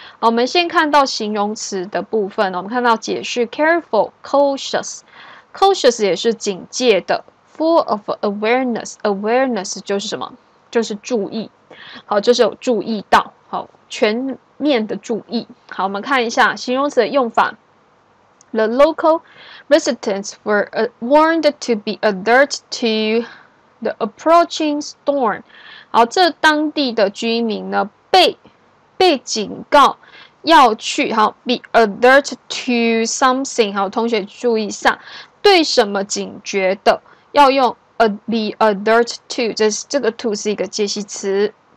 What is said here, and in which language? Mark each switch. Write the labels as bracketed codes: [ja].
[zh] 好，我们先看到形容词的部分，我们看到解释 careful， cautious， cautious 也是警戒的。 [en] Full of awareness， [zh] awareness 就是什么？就是注意。好，就是有注意到。好，全面的注意。好，我们看一下形容词的用法。 [en] The local residents were warned to be alert to the approaching storm。 [zh] 好，这当地的居民呢，被警告要去。好 [en] ，be alert to something。 [zh] 好，同学注意一下，对什么警觉的？要用 be alert to， 这个 to 是一个介系词。